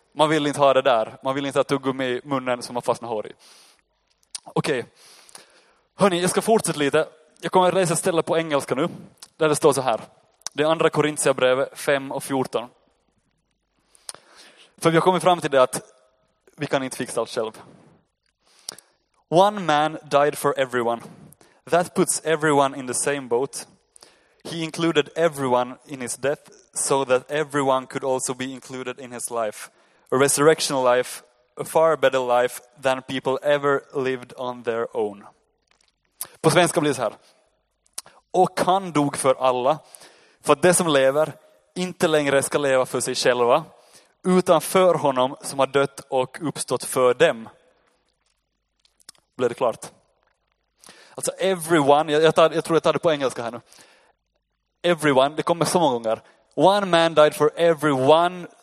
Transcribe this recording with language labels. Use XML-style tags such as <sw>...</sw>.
<sv>Man vill inte ha det där. Man vill inte ha tuggummi i munnen som har fastnat hår i. Okej. Hörrni, jag ska fortsätta lite. Jag kommer att läsa ett ställe på engelska nu. Där det står så här. Det är andra Korintierbrevet 5:14. För vi har kommit fram till det att vi kan inte fixa allt själv.</sv> <en>One man died for everyone. That puts everyone in the same boat. He included everyone in his death so that everyone could also be included in his life. A resurrection life, a far better life than people ever lived on their own.</en> <sv>På svenska blir det så här. Och han dog för alla. För att de som lever inte längre ska leva för sig själva. Utan för honom som har dött och uppstått för dem. Blir det klart? Alltså</sv> <en>everyone.</en> <sv>Jag tror jag tar det på engelska här nu.</sv> <en>Everyone.</en> <sv>Det kommer så många gånger.</sv> <en>One man died for everyone.</en>